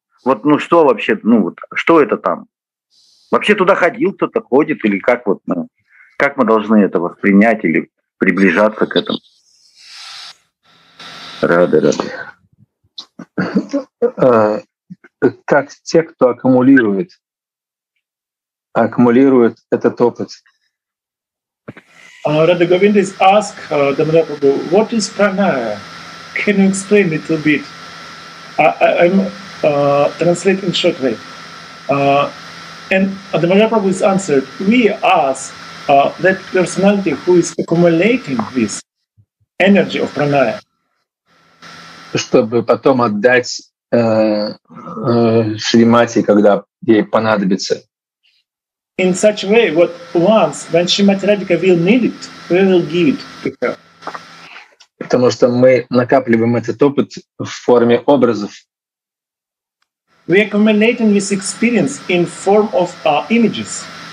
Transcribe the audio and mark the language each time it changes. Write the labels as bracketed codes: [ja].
[ru] Вот, ну, что вообще, ну, вот, что это там? Вообще туда ходил кто-то, ходит, или как вот, ну, как мы должны это воспринять или приближаться к этому? Рады. Как те, кто аккумулирует этот опыт. [en] Radha Govinda is ask Dhamma Prabhu, what is pranaya? Can you explain a little bit? I'm translating shortly. And Dhamma Prabhu is answered, we ask that personality who is accumulating this energy of pranaya. [ru] Чтобы потом отдать Шримати, когда ей понадобится. [en] In such a way, what once when Shrimati Radhika will need it, we will give it to her. [ru] Потому что мы накапливаем этот опыт в форме образов. [en] We accumulating this experience in form of images.